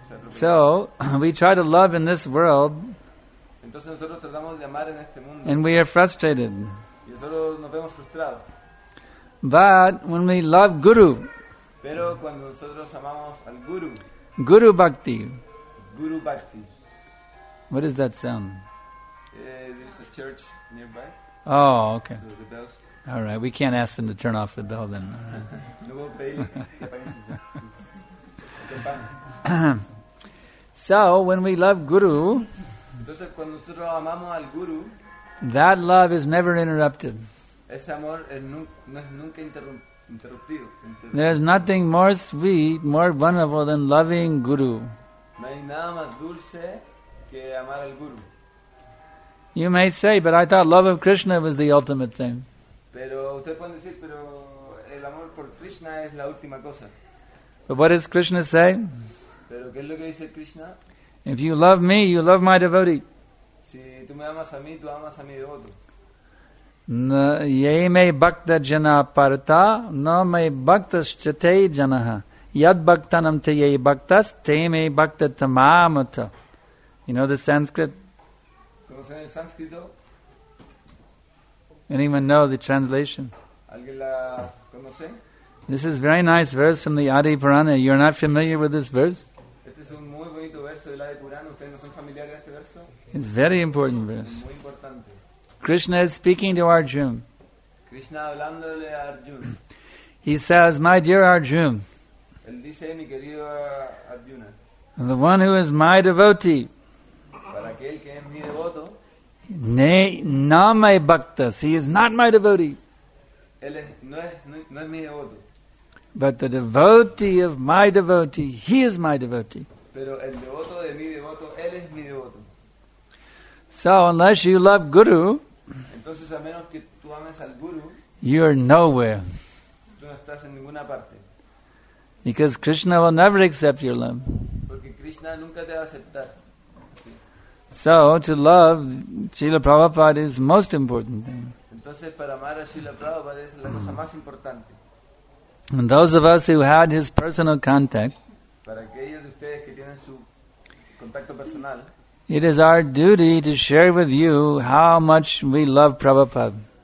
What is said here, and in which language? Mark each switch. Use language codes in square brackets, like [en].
[en] So, we try to love in this world. [es] Entonces nosotros tratamos de amar en este mundo. [en] And we are frustrated. [es] Y nosotros nos vemos frustrados. [en] But when we love Guru, [es] pero cuando nosotros amamos al Guru, [en] Guru Bhakti, [es] Guru Bhakti. [en] What does that sound? There's a church nearby. Oh, okay. So the bells. All right, we can't ask them to turn off the bell then. So, when we love Guru, [es] entonces, cuando nosotros amamos al Guru, [en] that love is never interrupted. [es] Ese amor es nunca interrumpido. [en] There is nothing more sweet, more wonderful than loving Guru. [es] No hay nada más dulce que amar al Guru. [en] You may say, but I thought love of Krishna was the ultimate thing. [es] Pero usted puede decir, pero el amor por Krishna es la última cosa. [en] But what does Krishna say? [es] Pero ¿qué es lo que dice Krishna? [en] If you love me, you love my devotee. [es] Si tú me amas a mí, tú amas a mi devoto. [sa] Ye me bhakta jana parta, na me bhaktas chate janaha. Yad bhaktanam te ye bhaktas te me bhakta tamamata. [en] You know the Sanskrit? [es] ¿Conocen el sánscrito? [en] Anyone know the translation? [es] ¿Alguien la conoce? [en] This is a very nice verse from the Adi Purana. You are not familiar with this verse? [es] Este es un muy bonito verso del Adi Purana. ¿Ustedes no son familiares con este verso? [en] It's a very important verse. [es] Muy importante. [en] Krishna is speaking to Arjuna. [es] Krishna hablándole a Arjuna. [en] He says, my dear Arjuna, [es] dice, mi querido Arjuna, [en] the one who is my devotee, [es] para aquel que es mi devoto, [en] name bhaktas, he is not my devotee. [es] Él es, no es mi devoto. [en] But the devotee of my devotee, he is my devotee. [es] Pero el devoto de mi devoto, él es mi devoto. [en] So unless you love Guru, [es] entonces, a menos que tú ames al Guru, [en] you are nowhere. [es] Tú no estás en ninguna parte. [en] Because Krishna will never accept your love. [es] Porque Krishna nunca te va a aceptar. Sí. [en] So, to love Srila Prabhupada is the most important thing. [es] Entonces, para amar a Srila Prabhupada es la cosa más importante. [en] And those of us who had his personal contact, [es] para aquellos de ustedes que tienen su contacto personal, [en] it is our duty to share with you how much we love Prabhupada.